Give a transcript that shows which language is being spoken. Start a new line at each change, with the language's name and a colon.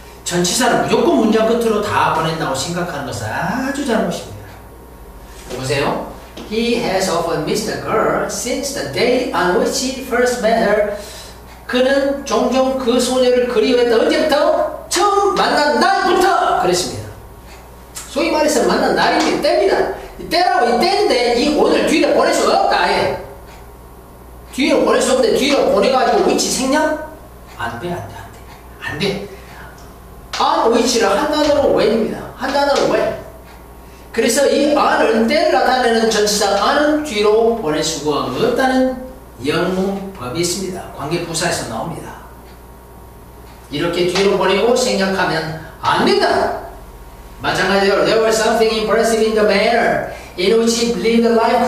Korean: 전치사를 무조건 문장 끝으로 다 보낸다고 생각하는 것은 아주 잘못입니다. 보세요.
English: He has often missed a girl since the day on which he first met her.
Korean: 그는 종종 그 소녀를 그리워했다. 언제부터? 처음 만난 날부터! 그랬습니다. 소위 말해서 만난 날이니 때입니다. 때라고 이 때인데 이 오늘 뒤로 보낼 수가 없다. 아예. 뒤로 보낼 수 없는데 뒤로 보내가지고 위치 생략? 안 돼, 안 돼, 안 돼. 안 돼. 안 위치를 한 단어로 when입니다. 한 단어로 when. 그래서 이 안은 때를 나타내는 전치사 안은 뒤로 보낼 수가 없다는 영문법이 있습니다. 관계부사에서 나옵니다. 이렇게 뒤로 보내고 생략하면 안 된다. 마찬가지로
English: there was something impressive in the manner in which he lived life.